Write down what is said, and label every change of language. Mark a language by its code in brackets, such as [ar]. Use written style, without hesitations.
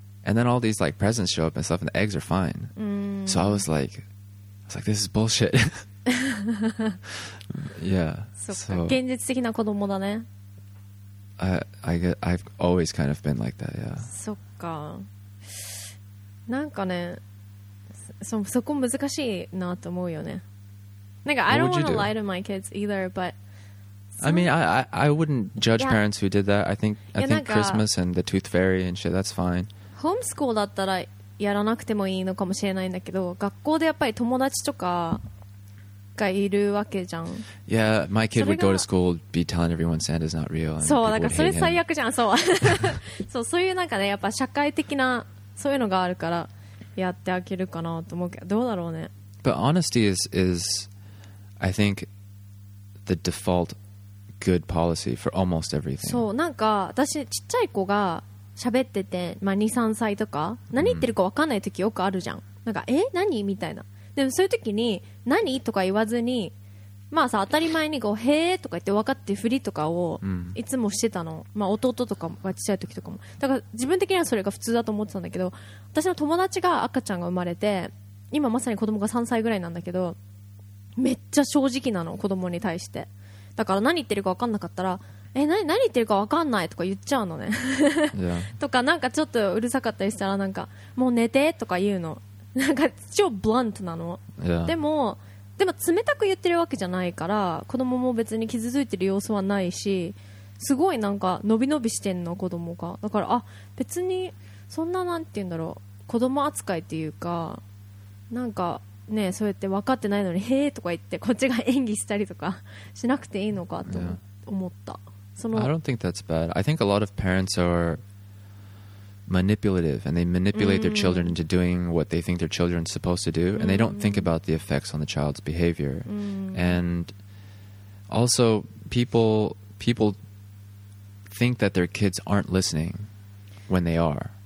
[en] And then all these like presents show up and stuff, and the eggs are fine. So I was like, this is bullshit. yeah. [ja] So. 現実的な子供だね。 [en] I've always kind of been like that, yeah. [ja] そっか。なんかね、そこ難しいなと思うよね。 [en] Like, I don't want to lie to my kids either, but... I mean, I wouldn't judge parents who did that. I think Christmas and the Tooth Fairy and shit, that's fine. [ja] Homeschool だったらやらなくてもいいのかもしれないんだけど、学校でやっぱり友達とかがいるわけじゃん。 [en] Yeah, my kid would go to school, be telling everyone Santa's not real, and [ja] そう、だからそれ最悪じゃん、そう。そう、そういうなんかね、やっぱ社会的な、そういうのがあるから、やってあげるかなと思うけど、どうだろうね。 [en] But honesty is... I think the default good policy for almost everything. [ja] そう、なんか私ちっちゃい子が喋ってて、まあ、2,3 歳とか何言ってるか分かんない時よくあるじゃん。なんか、え？何？みたいな。でもそういう時に何？とか言わずに、まあさ、当たり前にこうへーとか言って分かってふりとかをいつもしてたの。まあ弟とかがちっちゃい時とかも。だから自分的にはそれが普通だと思ってたんだけど、私の友達が赤ちゃんが生まれて、今まさに子供が3歳ぐらいなんだけど、めっちゃ正直なの子供に対して。だから何言ってるか分かんなかったら、え、何言ってるか分かんないとか言っちゃうのね。 [en] <Yeah. [ja] S 1> とかなんかちょっとうるさかったりしたら、なんかもう寝てとか言うの、なんか超ブラントなの。 [en] <Yeah. S [ja] 1> でも冷たく言ってるわけじゃないから、子供も別に傷ついてる様子はないし、すごいなんか伸び伸びしてんの子供が。だから、あ、別にそんな、なんて言うんだろう、子供扱いっていうか、なんかね、そうやって分かってないのにへーとか言ってこっちが演技したりとかしなくていいのかと思った。 [en] Yeah. その I don't think that's bad. I think a lot of parents are manipulative and they manipulate their children into doing what they think their children's supposed to do and they don't think about the effects on the child's behavior. And also people think that their kids aren't listening when they are.